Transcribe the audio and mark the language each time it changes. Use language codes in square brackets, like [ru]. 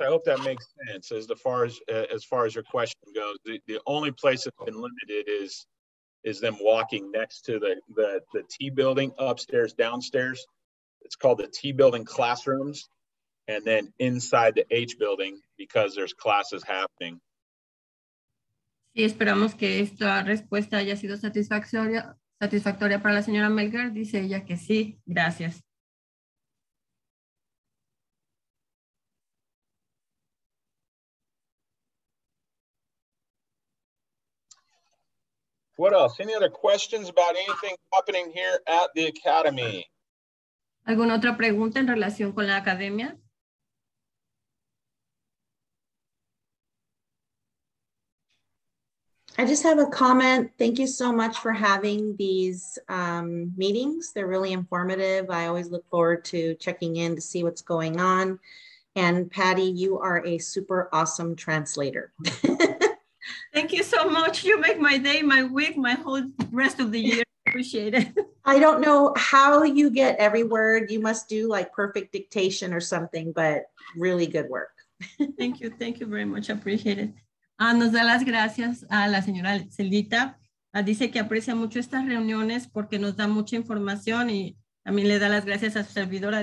[en] I hope that makes sense as far as your question goes. The only place that's been limited is them walking next to the T building upstairs, downstairs. It's called the T building classrooms. And then inside the H building because there's classes happening. [es] Sí, esperamos que esta respuesta haya sido satisfactoria para la señora Melger. Dice ella que sí. Gracias. [en] What else? Any other questions about anything happening here at the academy? [es] ¿Alguna otra pregunta en relación con la academia? [en] I just have a comment. Thank you so much for having these meetings. They're really informative. I always look forward to checking in to see what's going on. And Patty, you are a super awesome translator. Thank you so much. You make my day, my week, my whole rest of the year. Appreciate it. I don't know how you get every word. You must do like perfect dictation or something, but really good work. Thank you. Thank you very much. Appreciate it. [es] Nos da las gracias a la señora Celita. Dice que aprecia mucho estas reuniones porque nos da mucha información y también le da las gracias a su servidora.